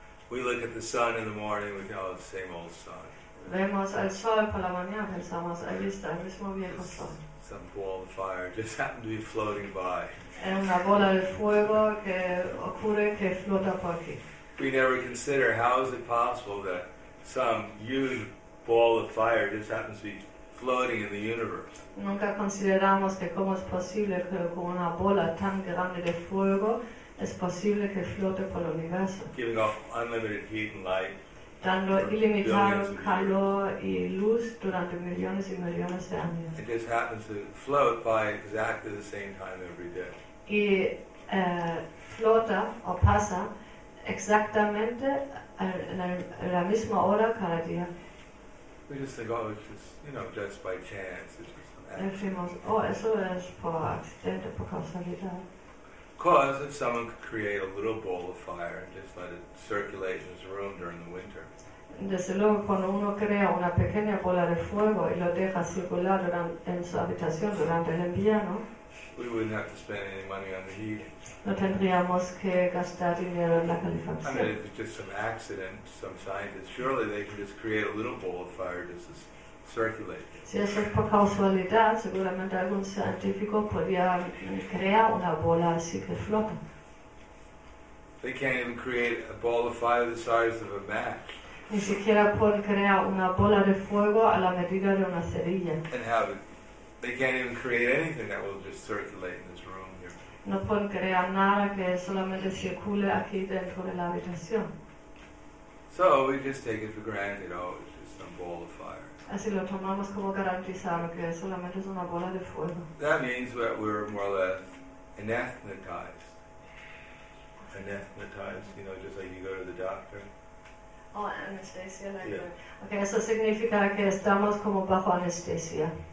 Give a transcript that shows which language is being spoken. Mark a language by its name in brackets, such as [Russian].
[English] We look at the sun in the morning, we call it the same old sun. [Spanish] Vemos al sol por la mañana, pensamos, ahí está, el mismo viejo sol. [English] Some ball of fire just happened to be floating by. [Spanish] En una bola de fuego que ocurre que flota por aquí. [English] We never consider how is it possible that some huge ball of fire just happens to be floating in the universe. [Spanish] Nunca consideramos que cómo es posible que con una bola tan grande de fuego es posible que flote por el universo. [English] Giving off unlimited heat and light. [Spanish] Dando ilimitado calor y luz durante millones y millones de años. [English] It just happens to float by exactly the same time every day. [Spanish] Y flota o pasa exactamente a la misma hora cada día. [English] We just think, oh, it's just, you know, just by chance. It's just an accident. [Spanish] Decimos, oh, eso es por accidente, por casualidad. [English] Because if someone could create a little ball of fire and just let it circulate in his room during the winter. [Spanish] Desde luego, cuando uno crea una pequeña bola de fuego y lo deja circular en su habitación durante el invierno, [English] we wouldn't have to spend any money on the heat. [Spanish] No tendríamos que gastar dinero en la calefacción. [English] I mean, if it's just some accident, some scientist, surely they could just create a little ball of fire just to circulate. [Spanish] Si eso es por casualidad, seguramente algún científico podría crear una bola así que flota. [English] They can't even create a ball of fire the size of a match. [Spanish] Ni siquiera pueden crear una bola de fuego a la medida de una cerilla. [English] And have it. They can't even create anything that will just circulate in this room here. [Spanish] No pueden crear nada que solamente circule aquí dentro de la habitación. [English] So we just take it for granted, oh, it's just some ball of fire. [Spanish] Así lo tomamos como garantizado que solamente es una bola de fuego. [English] That means that we're more or less anesthetized. Anesthetized, you know, just like you go to the doctor. Oh, anesthesia. Like yeah. [Spanish] Okay, eso significa que estamos como bajo anestesia.